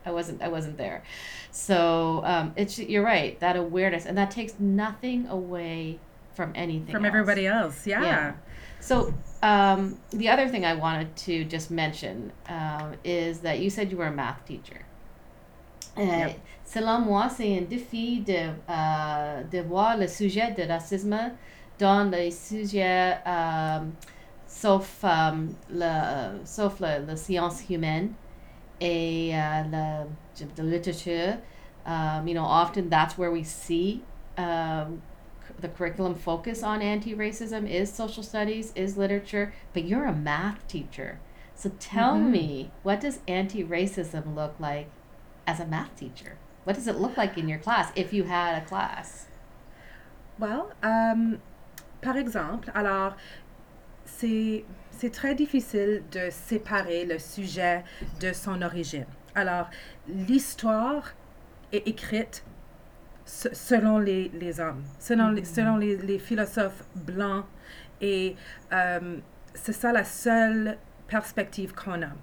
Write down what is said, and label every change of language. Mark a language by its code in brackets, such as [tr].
[en] I wasn't there. So you're right, that awareness. And that takes nothing away from anything from else. Everybody else, yeah. Yeah. So the other thing I wanted to just mention is that you said you were a math teacher. [fr] Selon moi, c'est un défi de voir le sujet de racisme dans le sujet sauf la science humaine et la littérature. [en] Often that's where we see the curriculum focus on anti-racism is social studies, is literature, but you're a math teacher. So tell me, what does anti-racism look like as a math teacher? What does it look like in your class, if you had a class? [fr] Well, par exemple, alors, c'est très difficile de séparer le sujet de son origine. Alors, l'histoire est écrite selon les hommes, selon les philosophes blancs, et c'est ça la seule perspective qu'on a.